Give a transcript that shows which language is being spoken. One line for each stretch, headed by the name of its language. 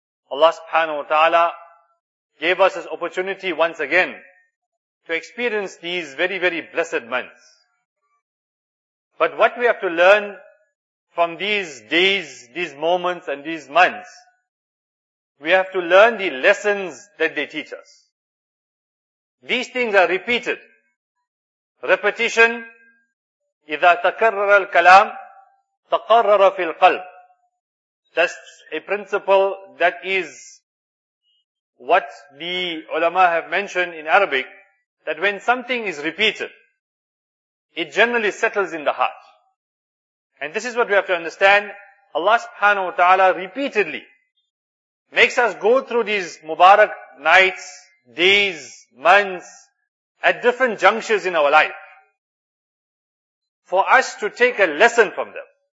English: Allah subhanahu wa ta'ala gave us this opportunity once again to experience these very, very blessed months. But what we have to learn from these days, these moments and these months, we have to learn the lessons that they teach us. These things are repeated. Repetition,
Arabic: إذا تكرر الكلام تقرر في القلب.
English: That's a principle that is what the ulama have mentioned in Arabic, that when something is repeated, it generally settles in the heart. And this is what we have to understand. Allah subhanahu wa ta'ala repeatedly makes us go through these Mubarak nights, days, months, at different junctures in our life, for us to take a lesson from them.